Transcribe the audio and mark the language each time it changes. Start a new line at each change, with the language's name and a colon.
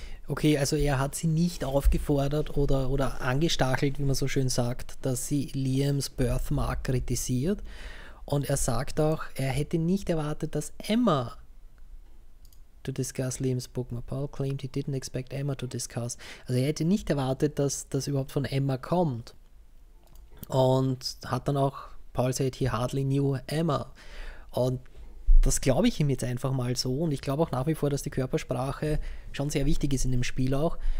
German: Okay, also er hat sie nicht aufgefordert oder angestachelt, wie man so schön sagt, dass sie Liams Birthmark kritisiert. Und er sagt auch, er hätte nicht erwartet, dass Emma
English: to discuss
German: Liams Bookmark.
English: Paul claimed he didn't expect Emma to discuss.
German: Also er hätte nicht erwartet, dass das überhaupt von Emma kommt. Und hat dann auch,
English: Paul said he hardly knew Emma.
German: Und das glaube ich ihm jetzt einfach mal so und ich glaube auch nach wie vor, dass die Körpersprache schon sehr wichtig ist in dem Spiel auch.